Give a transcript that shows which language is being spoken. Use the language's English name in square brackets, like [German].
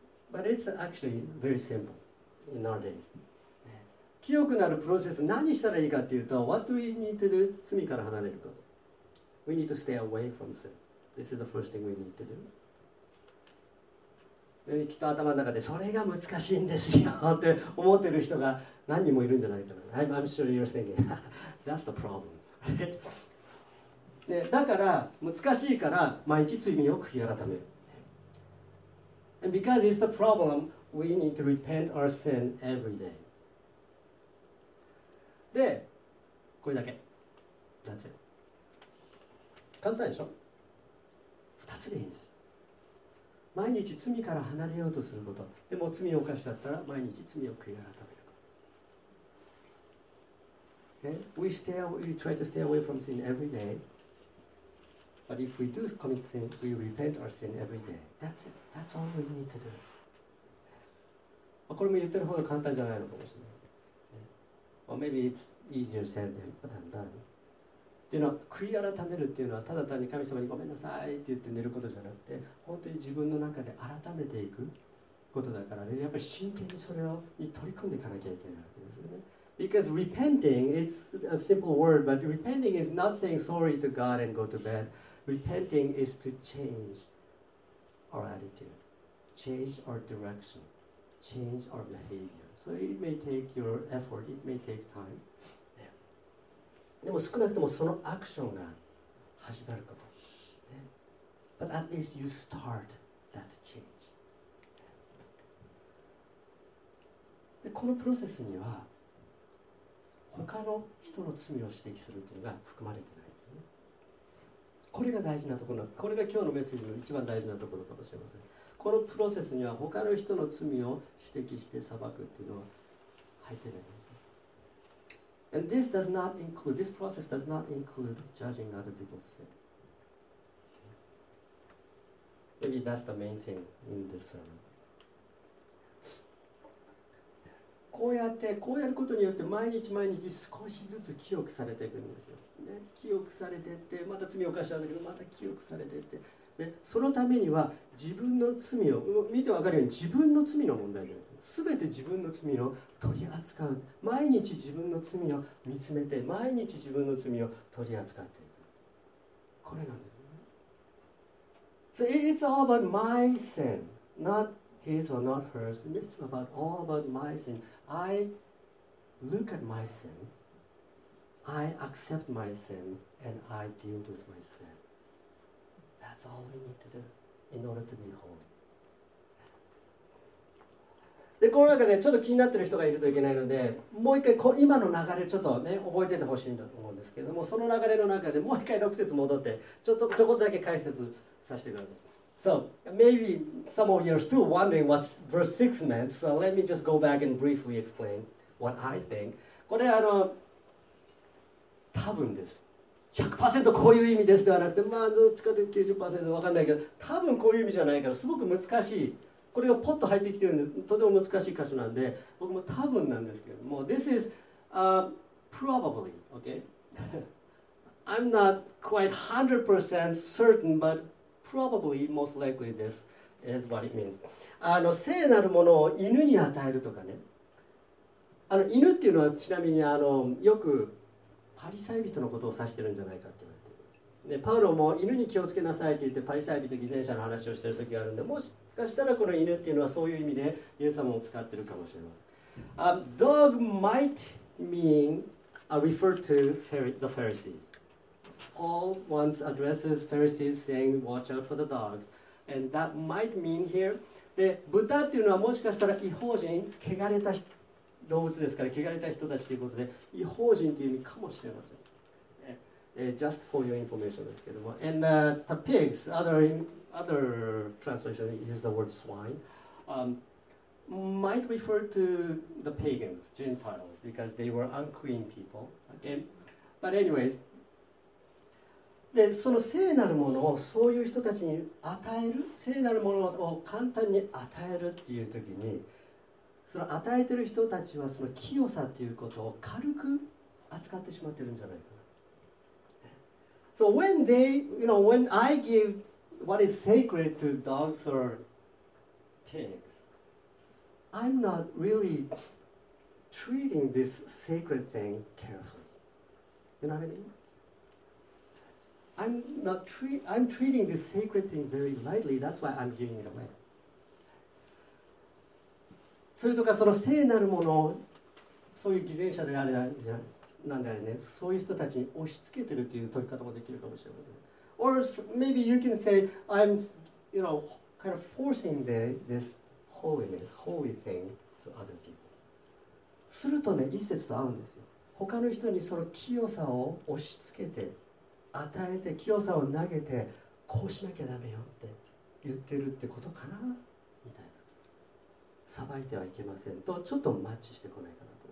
[English] But it's actually very simple in our days. [Japanese] 清くなるプロセス、何したらいいかっていうと、 [English] what do we need to do? [Japanese] 罪から離れること。 [English] We need to stay away from sin. This is the first thing we need to do. [Japanese] きっと頭の中でそれが難しいんですよって思ってる人が何人もいるんじゃないかな。 [English] I'm sure you're thinking, that's the problem. [Japanese] でだから難しいから毎日罪を悔い改める。 [English] And because it's the problem, we need to repent our sin every day. [Japanese] で、これだけ。 [English] That's it. [Japanese] 簡単でしょ？二つでいいんです。毎日罪から離れようとすること。でも罪を犯しちゃったら毎日罪を悔い改めること。 [English] Okay? We try to stay away from sin every day. But if we do commit sin, we repent our sin every day. That's it. That's all we need to do. [Japanese] これも言ってる方が簡単じゃないのかもしれない。 [English] Okay? Or maybe it's easier said than done. [Japanese] っていうのは悔い改めるっていうのはただ単に神様にごめんなさいって言って寝ることじゃなくて本当に自分の中で改めていくことだからね、やっぱり真剣にそれに取り組んでいかなきゃいけないわけですよね。 [English] Because repenting, it's a simple word, but repenting is not saying sorry to God and go to bed. Repenting is to change our attitude, change our direction, change our behavior. So it may take your effort, it may take time. [Japanese] でも少なくともそのアクションが始まるかも。 [English] But at least you start that change. [Japanese] でこのプロセスには他の人の罪を指摘するというのが含まれていない、ね。これが大事なところ、これが今日のメッセージの一番大事なところかもしれません。このプロセスには他の人の罪を指摘して裁くというのは入っていない、ね。 [English] And this does not include, this process does not include judging other people's sin. Maybe that's the main thing in this sermon. [Japanese] こうやってこうやることによって毎日毎日少しずつ清くされていくんですよ。ね、清くされていってまた罪を犯したんだけどまた清くされていって、ね、そのためには自分の罪を見てわかるように自分の罪の問題です。すべて自分の罪を取り扱う。毎日自分の罪を見つめて毎日自分の罪を取り扱っていく。これなんです。 [English] So it's all about my sin, not his or not hers. It's about all about my sin. I look at my sin, I accept my sin, and I deal with my sin. That's all we need to do in order to be holy. [Japanese] で、この中でちょっと気になってる人がいるといけないので、もう一回こ今の流れちょっとね覚えててほしいんだと思うんですけども、その流れの中でもう一回6節戻ってちょこっとだけ解説させてください。 [English] So maybe some of you are still wondering what verse 6 meant, so let me just go back and briefly explain what I think. [Japanese] これ多分です、 100% こういう意味ですではなくて、まあどっちかというと 90% わかんないけど、多分こういう意味じゃないから、すごく難しい、これがポッと入ってきてるんで、とても難しい箇所なんで、僕も多分なんですけども、 [English] This is probably, okay? I'm not quite 100% certain, but probably, most likely this is what it means. [Japanese] 聖なるものを犬に与えるとかね。犬っていうのはちなみに、よくパリサイ人のことを指してるんじゃないかって。ね、パウロも犬に気をつけなさいって言ってパリサイ人偽善者の話をしている時があるんで、もしかしたらこの犬っていうのはそういう意味でイエス様を使ってるかもしれない。 [English] A dog might mean a refer to the Pharisees. Paul once addresses Pharisees saying watch out for the dogs. And that might mean here. [Japanese] で、豚っていうのはもしかしたら異邦人、汚れた動物ですから汚れた人たちということで異邦人という意味かもしれません。 [English] Just for your information [Japanese] ですけども。 [English] And the pigs, other translation use the word swine, might refer to the pagans, Gentiles, because they were unclean people. Okay? But anyways, [Japanese] で、その聖なるものをそういう人たちに与える、聖なるものを簡単に与えるっていう時に、その与えてる人たちはその清さっていうことを軽く扱ってしまってるんじゃないか。 [English] So when they, you know, when I give what is sacred to dogs or pigs, I'm not really treating this sacred thing carefully. You know what I mean? I'm treating this sacred thing very lightly. That's why I'm giving it away. [Japanese] それとかその聖なるものをそういう偽善者であれじゃん。なんであれね、そういう人たちに押し付けてるという取り方もできるかもしれません。 [English] Or maybe you can say, I'm, you know, kind of forcing this holiness, holy thing to other people. [Japanese] するとね、一節と合うんですよ。他の人にその清さを押し付けて、与えて、清さを投げて、こうしなきゃダメよって言ってるってことかなみたいな。裁いてはいけませんと、ちょっとマッチしてこないかな。